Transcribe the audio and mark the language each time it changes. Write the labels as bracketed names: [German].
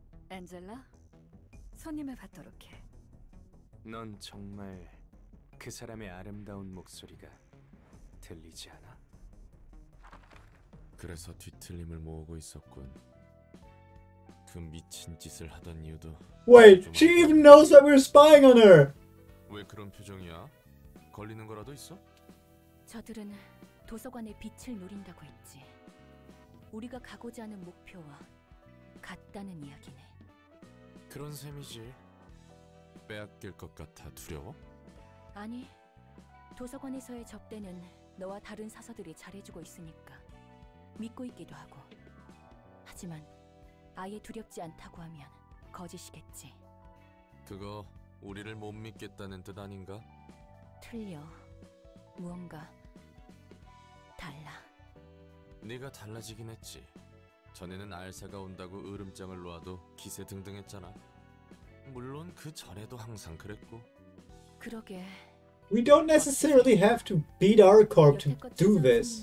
[Korean] 엔젤라, 손님을 받도록 해. 넌 정말 그 사람의 아름다운 목소리가 들리지 않아? 그래서 뒤틀림을 모으고 있었군. 그 미친 짓을 하던 이유도. [English] Wait, she even knows that we're spying on her. [Korean] 왜 그런 표정이야? 걸리는 거라도 있어? 저들은 도서관의 빛을 노린다고 했지. 우리가 가고자 하는 목표와 같다는 이야기네. 그런 셈이지. 빼앗길 것 같아 두려워? 아니, 도서관에서의 접대는 너와 다른 사서들이 잘해주고 있으니까 믿고 있기도 하고. 하지만 아예 두렵지 않다고 하면 거짓이겠지. 그거 우리를 못 믿겠다는 뜻 아닌가? 틀려. 무언가 달라. 네가 달라지긴 했지. 전에는 알사가 온다고 으름장을 놓아도 기세등등했잖아. 물론 그 전에도 항상 그랬고. 그러게. [English] We don't necessarily have to beat our corp to do this.